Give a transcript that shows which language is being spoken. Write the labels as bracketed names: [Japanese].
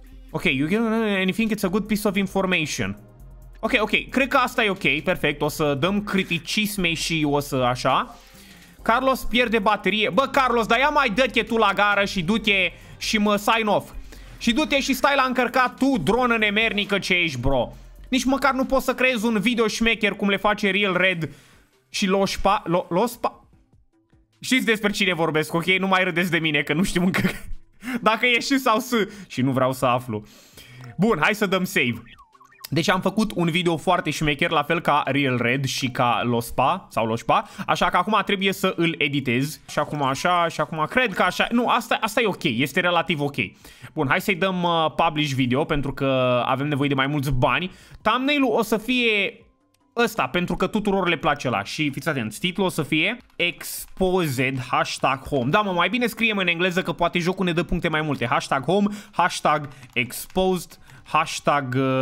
[English] Ok, you can think it's a good piece of information. [Romanian] Ok, ok, cred că asta e ok, perfect. O să dăm criticisme și o să așa. Carlos pierde baterie. Bă, Carlos, dar ia mai dă-te tu la gară și du-te și mă sign off. Și du-te și stai la încărcat tu, dronă nemernică ce ești, bro. Nici măcar nu poți să creezi un video șmecher cum le face Real Red și Lospa... Lospa... Știți despre cine vorbesc, ok? Nu mai râdeți de mine, că nu știu încă dacă e și sau să... Și nu vreau să aflu. Bun, hai să dăm save. Deci am făcut un video foarte șmecher, la fel ca Real Red și ca Lospa sau Lospa. Așa că acum trebuie să îl editez. Și acum așa, și acum cred că așa... Nu, asta e ok, este relativ ok. Bun, hai să-i dăm publish video, pentru că avem nevoie de mai mulți bani. Thumbnail-ul o să fie ăsta, pentru că tuturor le place ăla. Și fiți atenți, titlul o să fie [English] Exposed hashtag home. [Romanian] Da, mă, mai bine scriem în engleză, că poate jocul ne dă puncte mai multe. [English] Hashtag home, hashtag exposed, hashtag...